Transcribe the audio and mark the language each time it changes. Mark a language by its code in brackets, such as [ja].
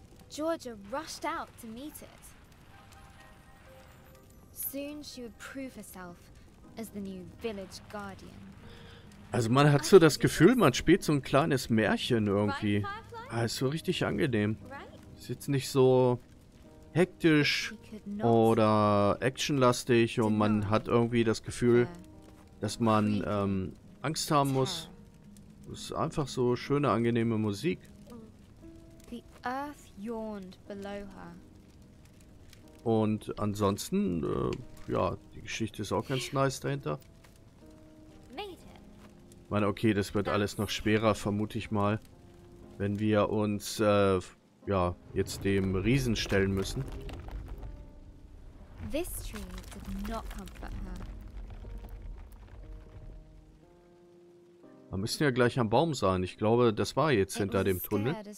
[en] Georgia rushed out to meet it. Soon she would prove herself as the new village guardian. [de] Also man hat so das Gefühl, man spielt so ein kleines Märchen irgendwie. Ah, ist so richtig angenehm. Ist jetzt nicht so hektisch oder actionlastig und man hat irgendwie das Gefühl, dass man Angst haben muss. Es ist einfach so schöne, angenehme Musik. [en] The earth yawned below her. [de] Und ansonsten, ja, die Geschichte ist auch ganz nice dahinter. [en] Made it. [de] Ich meine, okay, das wird alles noch schwerer, vermute ich mal, wenn wir uns, ja, jetzt dem Riesen stellen müssen. [en] This tree did not comfort her. [de] Wir müssen ja gleich am Baum sein. Ich glaube, das war jetzt hinter dem Tunnel.